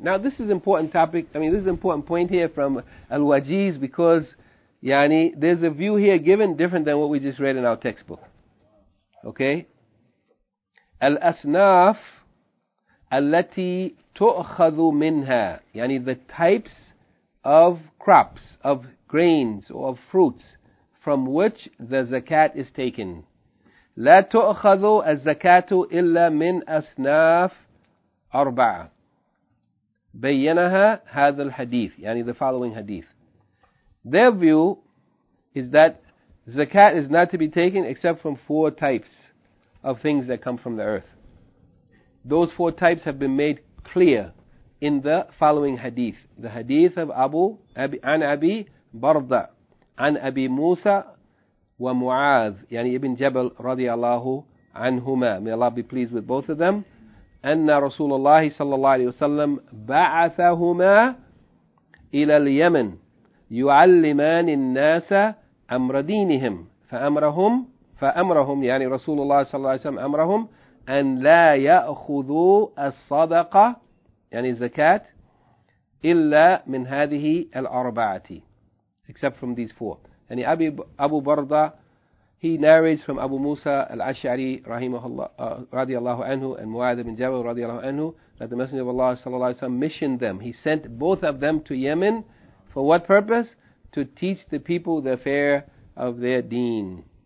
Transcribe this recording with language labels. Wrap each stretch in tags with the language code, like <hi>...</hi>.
<en>Now this is important topic, I mean this is important point here from Al-Wajiz, because yani there's a view here given different than what we just read in our textbook. Okay? Al-Asnaf</en> <ar>التي تؤخذ منها,</ar> <en>yani the types of crops, of grains or of fruits from which the zakat is taken.</en> <ar>لا تؤخذ الزكاة إلا من أصناف أربعة بينها هذا الحديث, يعني</ar> <en>the following hadith. Their view is that zakat is not to be taken except from four types of things that come from the earth. Those four types have been made clear in the following hadith.</en> <ar>The hadith of Abi Barda عن أبي موسى ومعاذ يعني ابن جبل رضي الله عنهما,</ar> <en>may Allah be pleased with both of them,</en> <ar>أن رسول الله صلى الله عليه وسلم بعثهما إلى اليمن يعلمان الناس أمر دينهم فأمرهم يعني رسول الله صلى الله عليه وسلم أمرهم أن لا يأخذوا الصدقة يعني الزكاة إلا من هذه الأربعة,</ar> <en>except from these four. يعني أبو بردة, he narrates from Abu Musa al-Ash'ari radiallahu anhu and Mu'adh ibn Jabal radiallahu anhu that the Messenger of Allah sallallahu alayhi wa sallam missioned them. He sent both of them to Yemen for what purpose? to teach the people the affair of their deen.</en>